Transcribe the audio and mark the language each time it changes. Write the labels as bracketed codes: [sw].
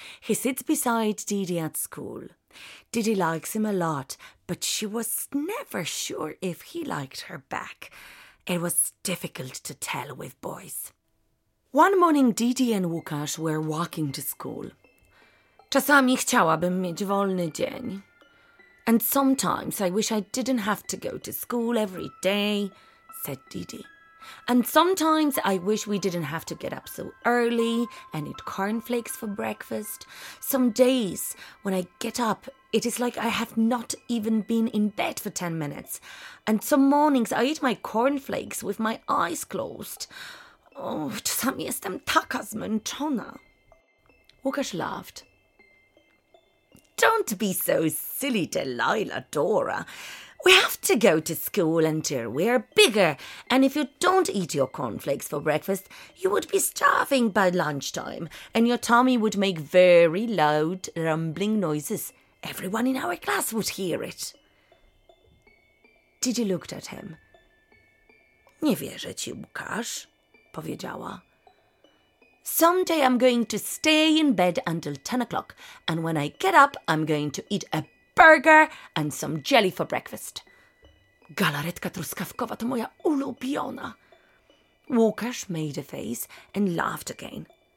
[en] He sits beside Didi at school. Didi likes him a lot, but she was never sure if he liked her back. It was difficult to tell with boys. One morning Didi and Łukasz were walking to school. [pl] "Czasami chciałabym mieć wolny dzień. [en] And sometimes I wish I didn't have to go to school every day," said Didi. "And sometimes I wish we didn't have to get up so early and eat cornflakes for breakfast. Some days when I get up, it is like I have not even been in bed for 10 minutes. And some mornings I eat my cornflakes with my eyes closed. [pl] Oh, czasami jestem taka zmęczona." [en] Łukasz laughed. "Don't be so silly, Delilah Dora. We have to go to school until we are bigger, and if you don't eat your cornflakes for breakfast, you would be starving by lunchtime, and your tummy would make very loud, rumbling noises. Everyone in our class would hear it." Didi looked at him. [pl] "Nie wierzę ci, Łukasz," powiedziała. [en] Someday I'm going to stay in bed until 10 o'clock, and when I get up, I'm going to eat a burger and some jelly for breakfast. [pl] Galaretka truskawkowa to moja ulubiona. [en] Łukasz made a face and laughed again.